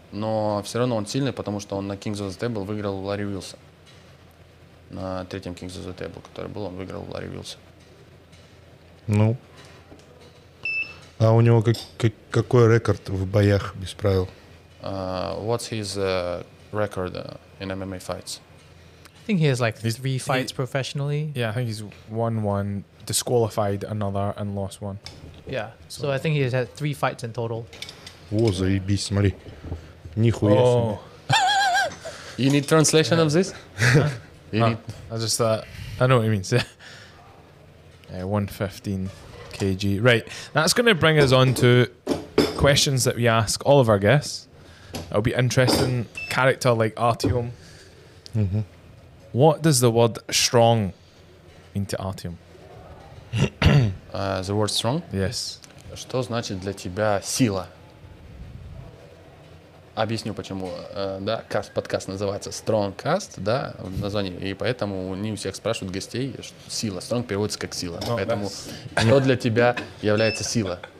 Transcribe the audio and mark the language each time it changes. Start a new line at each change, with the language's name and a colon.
Russian: Но все равно он сильный, потому что он на Kings of the Table выиграл Ларри Уилса. На третьем Kings of the Table, который был, он выиграл Ларри Уилса. Ну. А у него какой рекорд в боях без правил?
English: What's his record in MMA fights? I think he has like three fights professionally. Yeah, I think he's won one, disqualified another, and lost one. Yeah, so I think he has had three fights in total.
Russian: Oh, заебись, смотри. Нихуя себе.
English: You need translation of this? I know what he means. 115 kg. Right, that's going to bring us on to questions that we ask all of our guests. It'll be interesting. Character like Artyom. What does the word strong mean to Artyom? The word strong? Yes.
Russian: Что значит для тебя сила? Объясню почему. Да, подкаст называется Strong Cast, да, в названии. И поэтому не у всех спрашивают гостей, что сила. Strong переводится как сила. Oh, поэтому что для тебя является сила?